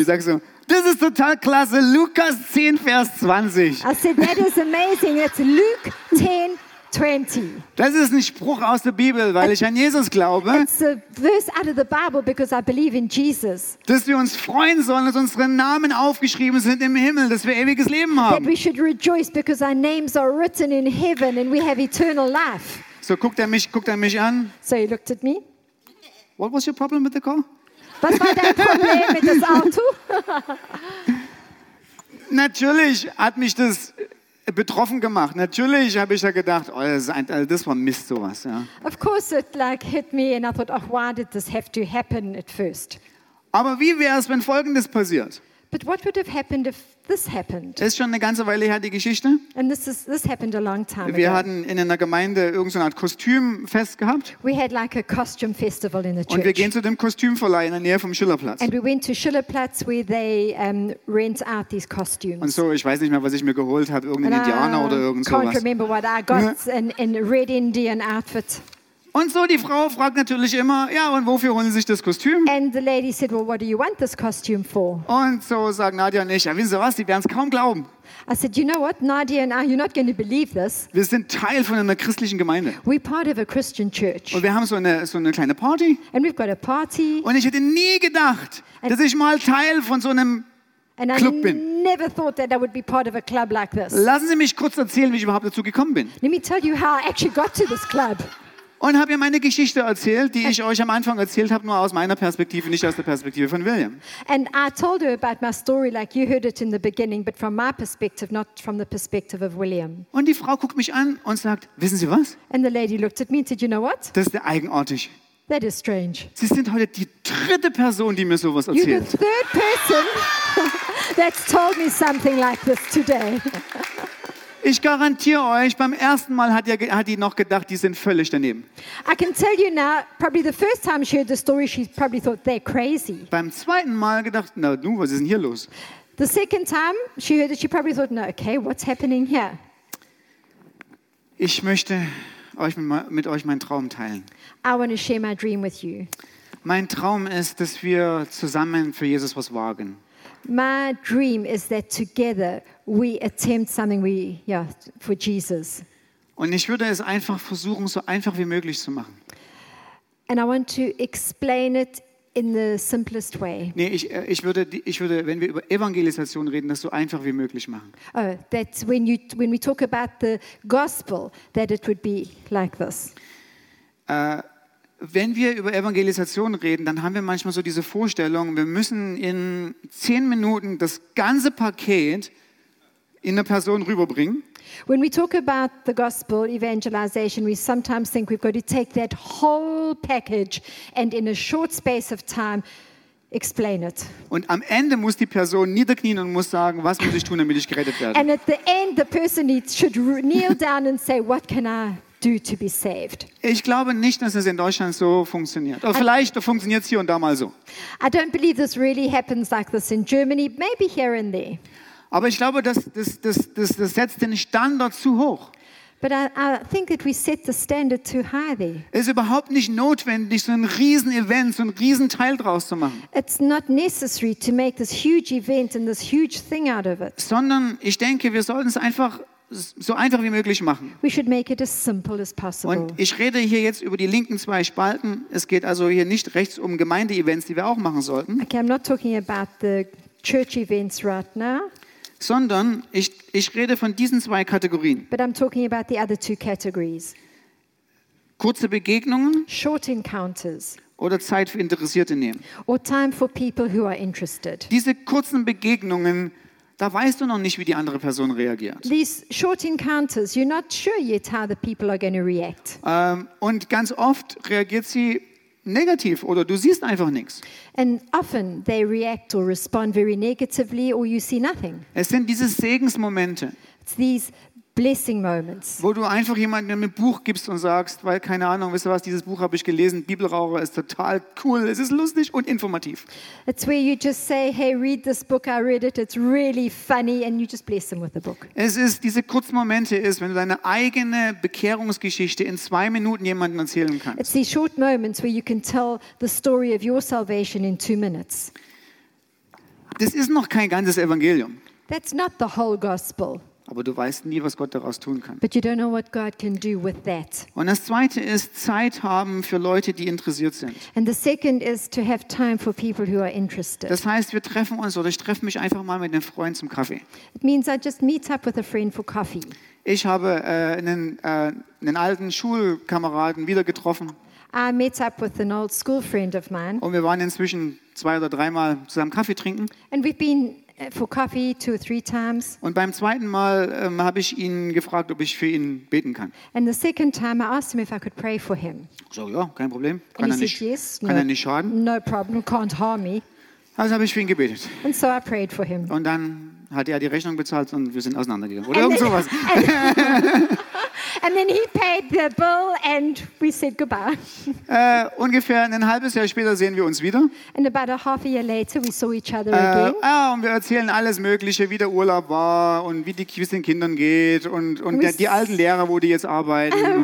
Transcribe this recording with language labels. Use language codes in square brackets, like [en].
[de] Ich sage so, das ist total klasse, Lukas 10, Vers 20. [en] I said, that is amazing, it's Luke 10, 20. [de] Das ist ein Spruch aus der Bibel, weil ich an Jesus glaube. [en] It's a verse out of the Bible because I believe in Jesus. [de] Dass wir uns freuen sollen, dass unsere Namen aufgeschrieben sind im Himmel, dass wir ewiges Leben haben. [en] That we should rejoice because our names are written in heaven and we have eternal life. [de] So guckt er mich an. [en] So he looked at me. What was your problem with the car? [de] Was war dein Problem mit dem Auto? Natürlich hat mich das betroffen gemacht. Natürlich habe ich da gedacht, oh, das war Mist, sowas. Ja. [en] Of course it like hit me and I thought, oh, why did this have to happen at first? [de] Aber wie wäre es, wenn Folgendes passiert? [en] But what would have happened if this happened? [de] Ist schon eine ganze Weile her, die Geschichte. [en] And this happened a long time ago. [de] Wir hatten in einer Gemeinde irgendeine Art Kostümfest gehabt. [en] We had like a costume festival in the church. [de] Und wir gehen zu dem Kostümverleih in der Nähe vom Schillerplatz. [en] And we went to Schillerplatz where they rent out these costumes. [de] Und so, ich weiß nicht mehr, was ich mir geholt habe, irgendein Indianer oder irgend sowas. [en] I can't remember what I got in red Indian outfit. [de] Und so, die Frau fragt natürlich immer, ja, und wofür holen Sie sich das Kostüm? [en] And the lady said, well, what do you want this costume for? [de] Und so sagen Nadia und ich, ja, wissen Sie was, die werden es kaum glauben. [en] I said, you know what, Nadia and I, you're not going to believe this. [de] Wir sind Teil von einer christlichen Gemeinde. [en] We're part of a Christian church. [de] Und wir haben so eine kleine Party. [en] And we've got a party. [de] Und ich hätte nie gedacht, dass ich mal Teil von so einem Club bin. [en] Never thought that I would be part of a club like this. [de] Lassen Sie mich kurz erzählen, wie ich überhaupt dazu gekommen bin. [en] Let me tell you how I actually got to this club. [de] Und habe ihr meine Geschichte erzählt, die ich euch am Anfang erzählt habe, nur aus meiner Perspektive, nicht aus der Perspektive von William. [en] And I told her about my story like you heard it in the beginning, but from my perspective, not from the perspective of William. [de] Und die Frau guckt mich an und sagt, wissen Sie was? [en] And the lady looked at me and said, you know what? [de] Das ist eigenartig. [en] That is strange. [de] Sie sind heute die dritte Person, die mir sowas erzählt. [en] You're the third person that's told me something like this today. [de] Ich garantiere euch, beim ersten Mal hat die noch gedacht, die sind völlig daneben. [en] I can tell you now, probably the first time she heard the story, she probably thought they're crazy. [de] Beim zweiten Mal gedacht, na du, was ist denn hier los? [en] The second time she heard it, she probably thought, no, okay, what's happening here? [de] Ich möchte euch mit euch meinen Traum teilen. [en] I want to share my dream with you. [de] Mein Traum ist, dass wir zusammen für Jesus was wagen. [en] My dream is that together we attempt something for Jesus. [de] Und ich würde es einfach versuchen, so einfach wie möglich zu machen. [en] And I want to explain it in the simplest way. [de] Nee, ich würde, wenn wir über Evangelisation reden, das so einfach wie möglich machen. [en] Oh, that when we talk about the gospel, that it would be like this. [de] Wenn wir über Evangelisation reden, dann haben wir manchmal so diese Vorstellung, wir müssen in 10 Minuten das ganze Paket in eine Person rüberbringen. [en] When we talk about the gospel evangelization, we sometimes think we've got to take that whole package and in a short space of time explain it. [de] Und am Ende muss die Person niederknien und muss sagen, was muss ich tun, damit ich gerettet werde? [en] And at the end, the person should kneel down and say, what can I do to be saved. [de] Ich glaube nicht, dass es in Deutschland so funktioniert. Oder vielleicht funktioniert es hier und da mal so. [en] I don't believe this really happens like this in Germany, maybe here and there. [de] Aber ich glaube, das setzt den Standard zu hoch. [en] But I think that we set the standard too high there. [de] Es ist überhaupt nicht notwendig, so ein riesen Event, so ein riesen Teil draus zu machen. [en] It's not necessary to make this huge event and this huge thing out of it. [de] Sondern ich denke, wir sollten es einfach so einfach wie möglich machen. [en] We should make it as simple as possible. [de] Und ich rede hier jetzt über die linken zwei Spalten. Es geht also hier nicht rechts um Gemeinde-Events, die wir auch machen sollten. [en] Okay, I'm not talking about the church events right now. [de] Sondern ich rede von diesen zwei Kategorien. [en] But I'm talking about the other two categories. [de] Kurze Begegnungen. [en] Short encounters. [de] Oder Zeit für Interessierte nehmen. [en] Or time for people who are interested. [de] Diese kurzen Begegnungen, Da weißt du noch nicht, wie die andere Person reagiert. [en] These short encounters, you're not sure yet how the people are going to react. [de] Und ganz oft reagiert sie negativ oder du siehst einfach nichts. [en] And often they react or respond very negatively or you see nothing. [de] Es sind diese Segensmomente. [en] It's these blessing moments. [de] Wo du einfach jemandem ein Buch gibst und sagst, weil keine Ahnung, weißt du was, dieses Buch habe ich gelesen, Bibelraucher ist total cool, es ist lustig und informativ. [en] It's where you just say, hey, read this book, I read it, it's really funny, and you just bless them with the book. [de] Es ist, diese kurzen Momente ist, wenn du deine eigene Bekehrungsgeschichte in 2 Minuten jemandem erzählen kannst. [en] It's these short moments where you can tell the story of your salvation in 2 minutes. [de] Das ist noch kein ganzes Evangelium. [en] That's not the whole gospel. [de] Aber du weißt nie, was Gott daraus tun kann. [en] But you don't know what God can do with that. [de] Und das Zweite ist, Zeit haben für Leute, die interessiert sind. [en] And the second is to have time for people who are interested. [de] Das heißt, wir treffen uns oder ich treffe mich einfach mal mit einem Freund zum Kaffee. [en] It means I just meet up with a friend for coffee. [de] Ich habe einen alten Schulkameraden wieder getroffen. [en] I met up with an old school friend of mine. [de] Und wir waren inzwischen 2 oder 3 Mal zusammen Kaffee trinken. [en] And we've been for coffee 2 or 3 times. [de] Und beim zweiten Mal habe ich ihn gefragt, ob ich für ihn beten kann. [en] And the second time I asked him if I could pray for him. [de] So ja, kein Problem. Kann er nicht. [en] Yes, [de] kann [en] no, [de] er nicht schaden. [en] No problem, can't harm me. [de] Also habe ich für ihn gebetet. [en] And so I prayed for him. [de] Und dann hat er die Rechnung bezahlt und wir sind auseinandergegangen oder irgend sowas. [en] And then he paid the bill and we said goodbye. [de] Ungefähr ein halbes Jahr später sehen wir uns wieder. [en] And about a half a year later we saw each other again. [de] Und wir erzählen alles Mögliche, wie der Urlaub war und wie die Kids den Kindern geht und die alten Lehrer, wo die jetzt arbeiten.